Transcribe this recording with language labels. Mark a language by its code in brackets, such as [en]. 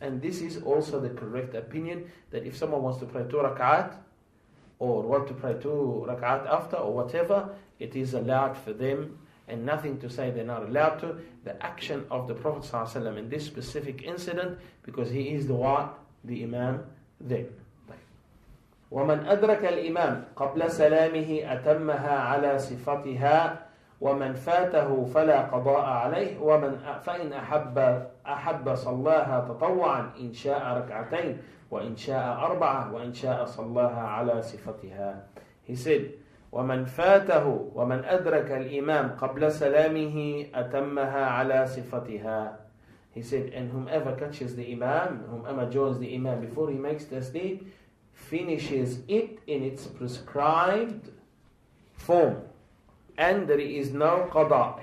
[en] And this is also the correct opinion, that if someone wants to pray 2 rak'at, or want to pray 2 rak'at after, or whatever, it is allowed for them, and nothing to say they're not allowed to. The action of the Prophet ﷺ in this specific incident, because he is the what? The imam then. [ar] ومن أدرك الإمام قبل سلامه أتمها على صفتها ومن فاته فلا قضاء عليه ومن فإن أحب صلاها تطوعا إن شاء ركعتين وإن شاء 4 وإن شاء صلاها على صفتها. [en] He said, [ar] ومن أدرك الإمام قبل سلامه أتمها على صفتها. [en] He said, and whomever catches the Imam, whomever joins the Imam before he makes the sleep, finishes it in its prescribed form, and there is no qada.